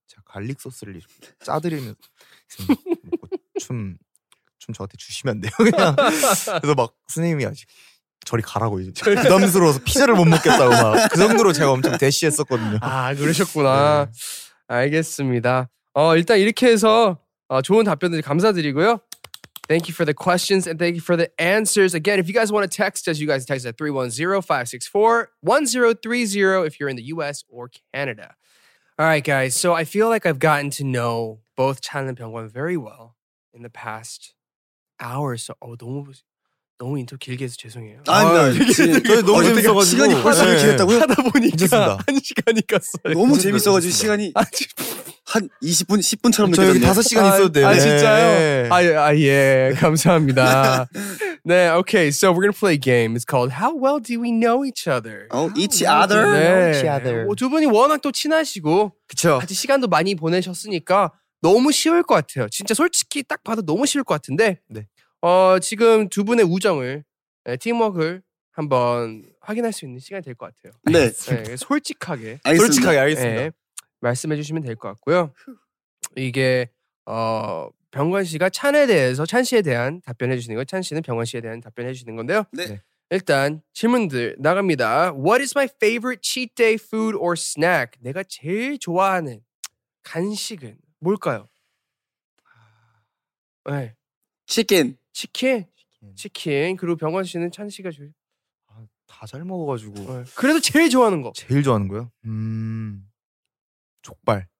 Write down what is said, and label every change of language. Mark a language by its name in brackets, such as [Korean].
[Korean] 제가 갈릭 소스를 짜드리면 춤 저한테 주시면 안 돼요? 그냥 그래서 막 선생님이 아직 저리 가라고 이제 부담스러워서 피자를 못 먹겠다고 막 그 정도로 제가 엄청 대시했었거든요. 아 그러셨구나. 네. 알겠습니다. 일단 이렇게 해서 좋은 답변들 감사드리고요. [English] Thank you for the questions and thank you for the answers. Again, if you guys want to text us, you guys text us at 310-564-1030 if you're in the US or Canada. All right, guys. So I feel like I've gotten to know both Chan and Pyeongwon very well in the past hours. [Korean] 너무 인터 길게 해서 죄송해요. 아닙니다. 저희 너무 재밌어가지고 시간이 훨씬 네. 길었다고요? 하다 보니까 괜찮습니다. 한 시간이 갔어요. 너무 재밌어가지고 시간이 한 20분, 10분처럼 느껴졌네. 저 여기 5시간 있어도 돼요. 아 진짜요? 네. 아예 감사합니다. 네, okay. [English] So we're gonna play a game. It's called How Well Do We Know Each Other? Oh, each other. [Korean] 네. [English] Each other. [Korean] 두 분이 워낙 또 친하시고 그쵸. 같이 시간도 많이 보내셨으니까 너무 쉬울 것 같아요. 진짜 솔직히 딱 봐도 너무 쉬울 것 같은데 네. 지금 두 분의 우정을 네, 팀워크를 한번 확인할 수 있는 시간이 될 것 같아요. 네. 네 솔직하게. 알겠습니다. 솔직하게 알겠습니다. 네, 말씀해 주시면 될 것 같고요. 이게 병관 씨가 찬에 대해서 찬 씨에 대한 답변해 주시는 거예요. 찬 씨는 병관 씨에 대한 답변해 주시는 건데요. 네. 일단 질문들 나갑니다. [English] What is my favorite cheat day food or snack? [Korean] 내가 제일 좋아하는 간식은 뭘까요? 네. 치킨. 치킨. 치킨. 그리고 병관 씨는 찬 씨가 제일 다 잘 먹어가지고. 네. 그래도 제일 좋아하는 거. 제일 좋아하는 거요? 족발.